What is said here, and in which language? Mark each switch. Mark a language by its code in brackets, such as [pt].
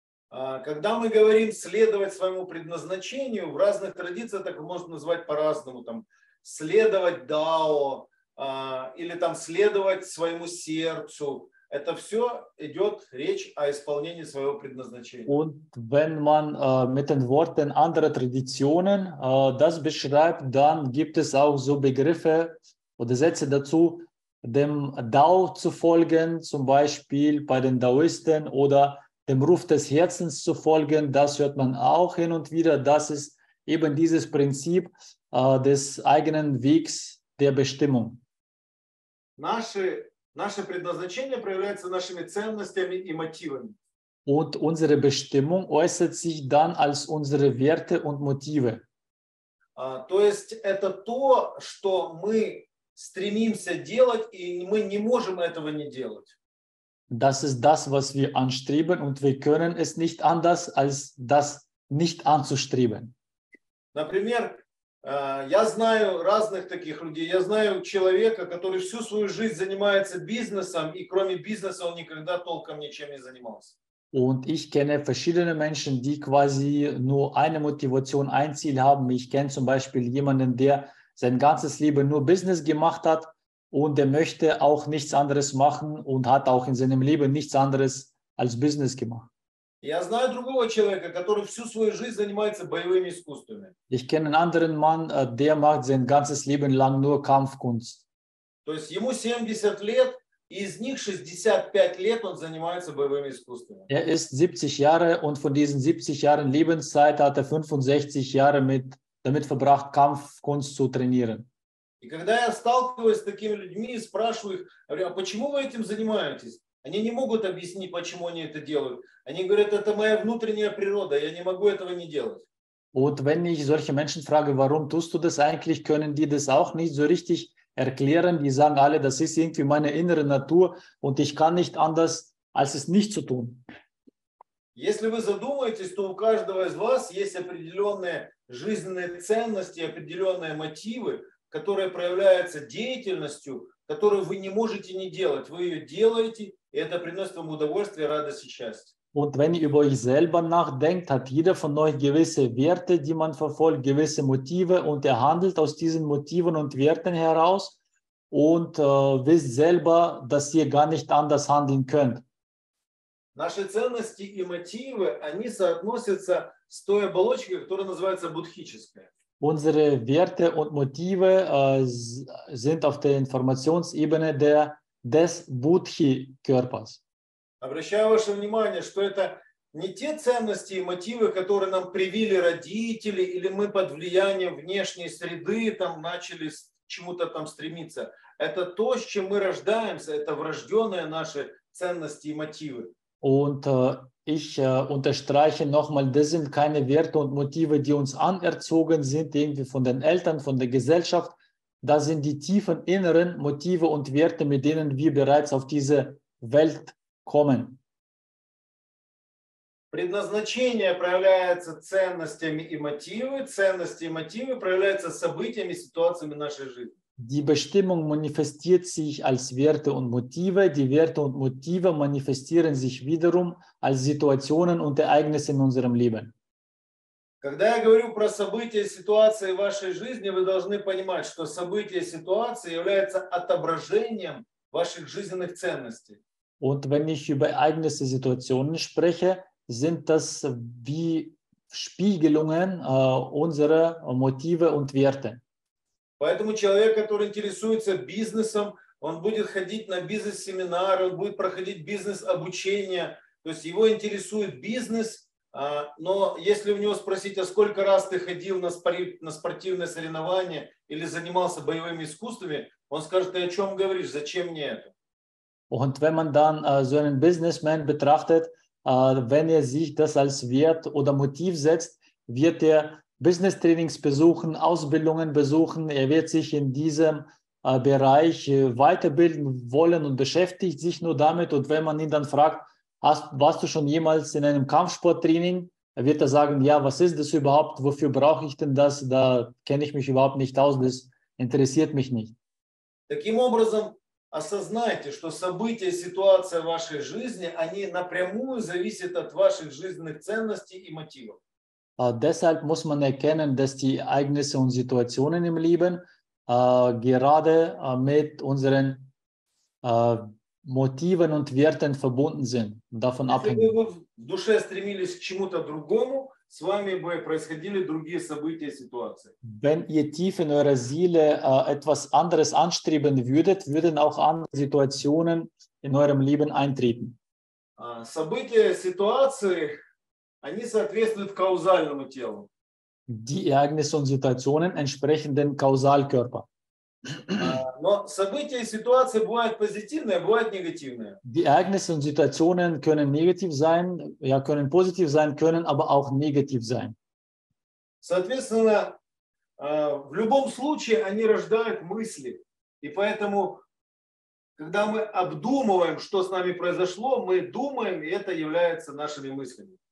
[ru] Когда мы говорим следовать своему предназначению, в разных традициях так можно назвать по-разному, там, следовать дао, или там следовать своему сердцу. Это все идет речь о исполнении своего предназначения. [de] Und wenn man mit den Worten anderer Traditionen das beschreibt, dann gibt es auch so Begriffe oder Sätze dazu, dem Dao zu folgen, zum Beispiel bei den Daoisten, oder dem Ruf des Herzens zu folgen. Das hört man auch hin und wieder. Das ist eben dieses Prinzip des eigenen Wegs der Bestimmung. [ru] Наше предназначение проявляется нашими ценностями и мотивами. [de] Und unsere Bestimmung äußert sich dann als unsere Werte und Motive. [ru] То есть это то, что мы стремимся делать, и мы не можем этого не делать. [de] Das ist das, was wir anstreben, und wir können es nicht anders, als das nicht anzustreben. [ru] Например, я знаю разных таких людей. Я знаю человека, который всю свою жизнь занимается бизнесом, и кроме бизнеса он никогда толком ничем не занимался. [de] Und ich kenne verschiedene Menschen, die quasi nur eine Motivation, ein Ziel haben. Ich kenne zum Beispiel jemanden, der sein ganzes Leben nur Business gemacht hat, und der möchte auch nichts anderes machen und hat auch in seinem Leben nichts anderes als Business gemacht. [ru] Я знаю другого человека, который всю свою жизнь занимается боевыми искусствами. [de] Ich kenne einen anderen Mann, der macht sein ganzes Leben lang nur Kampfkunst. [ru] То есть ему 70 лет, и из них 65 лет он занимается боевыми искусствами. [de] Er ist 70 Jahre, und von diesen 70 Jahren Lebenszeit hat er 65 Jahre damit verbracht, Kampfkunst zu trainieren. [ru] И когда я сталкиваюсь с такими людьми и спрашиваю их, говорю, а почему вы этим занимаетесь? Они не могут объяснить, почему они это делают. Они говорят, это моя внутренняя природа, я не могу этого не делать. [de] Und wenn ich solche Menschen frage, warum tust du das eigentlich, können die das auch nicht so richtig erklären. Die sagen alle, das ist irgendwie meine innere Natur, und ich kann nicht anders, als es nicht zu tun. [ru] Если вы задумаетесь, то у каждого из вас есть определенные жизненные ценности, определенные мотивы, которые проявляются деятельностью, которую вы не можете не делать. Вы ее делаете, и это приносит вам удовольствие, радость и счастье. [de] Und wenn ihr über euch selber nachdenkt, hat jeder von euch gewisse Werte, die man verfolgt, gewisse Motive, und er handelt aus diesen Motiven und Werten heraus und wisst selber, dass ihr gar nicht anders handeln könnt. [ru] Наши ценности и мотивы, они соотносятся с той оболочкой, которая называется буддхическая. [de] Unsere Werte und Motive sind auf der Informationsebene des Buddhi-Körpers. [ru] Обращаю ваше внимание, что это не те ценности и мотивы, которые нам привили родители, или мы под влиянием внешней среды там начали чему-то там стремиться. Это то, с чем мы рождаемся, это врожденные наши ценности и мотивы. [de] Und ich unterstreiche nochmal, das sind keine Werte und Motive, die uns anerzogen sind, irgendwie von den Eltern, von der Gesellschaft. Das sind die tiefen inneren Motive und Werte, mit denen wir bereits auf diese Welt kommen. [ru] Предназначение проявляется ценностями и мотивы. Ценности и мотивы проявляются событиями, ситуациями нашей жизни. [de] Die Bestimmung manifestiert sich als Werte und Motive. Die Werte und Motive manifestieren sich wiederum als Situationen und Ereignisse in unserem Leben. [ru] Когда я говорю про события, ситуации в вашей жизни, вы должны понимать, что события, ситуации являются отображением ваших жизненных ценностей. [de] Und wenn ich über Ereignisse, Situationen spreche, sind das wie Spiegelungen unserer Motive und Werte. [ru] Поэтому человек, который интересуется бизнесом, он будет ходить на бизнес-семинары, он будет проходить бизнес-обучение. То есть его интересует бизнес, но если у него спросить, а сколько раз ты ходил на спортивные соревнования или занимался боевыми искусствами, он скажет, ты о чем говоришь, зачем мне это? [de] Und wenn man dann so einen Businessman betrachtet, wenn er sich das als Wert oder Motiv setzt, wird er Business-Trainings besuchen, Ausbildungen besuchen. Er wird sich in diesem Bereich weiterbilden wollen und beschäftigt sich nur damit. Und wenn man ihn dann fragt, warst du schon jemals in einem Kampfsporttraining? Er wird da sagen, ja, was ist das überhaupt? Wofür brauche ich denn das? Da kenne ich mich überhaupt nicht aus. Das interessiert mich nicht. [ru] Таким образом, осознайте, что события, ситуация в вашей жизни, они напрямую зависят от ваших жизненных ценностей и мотивов. [de] Deshalb muss man erkennen, dass die Ereignisse und Situationen im Leben gerade mit unseren Motiven und Werten verbunden sind, davon abhängig. [ru] Если бы вы в душе стремились к чему-то другому, с вами бы происходили другие события и ситуации. [de] Wenn ihr tief in eurer Seele etwas anderes anstreben würdet, würden auch andere Situationen in eurem Leben eintreten. [ru] События, ситуации, они соответствуют каузальному телу. [de] Die Ereignisse und Situationen entsprechen dem Kausalkörper. [ru] Но события и ситуации бывают позитивные, бывают негативные. [de] Die Ereignisse und Situationen können negativ sein, ja, können positiv sein, können aber auch negativ sein. [ru] Соответственно, в любом случае они рождают мысли. И поэтому, когда мы обдумываем, что с нами произошло, мы думаем, и это является нашими мыслями.